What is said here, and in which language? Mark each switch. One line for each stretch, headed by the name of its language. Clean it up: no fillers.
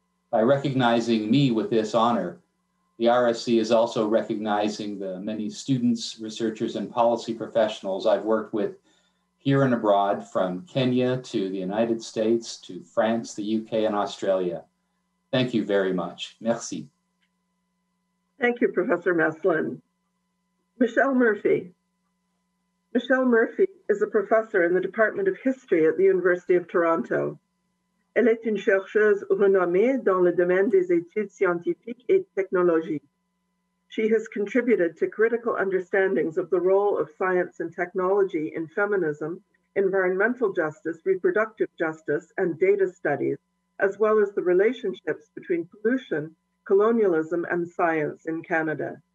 English: By recognizing me with this honor, the RSC is also recognizing the many students, researchers, and policy professionals I've worked with here and abroad, from Kenya to the United States to France, the UK, and Australia. Thank you very much. Merci. Thank you, Professor Meslin. Michelle Murphy. Michelle Murphy is a professor in the Department of History at the University of Toronto.
French: Elle est une chercheuse renommée dans le domaine des études scientifiques et technologiques.
English: She has contributed to critical understandings of the role of science and technology in feminism, environmental justice, reproductive justice, and data studies, as well as the relationships between pollution, colonialism, and science in Canada.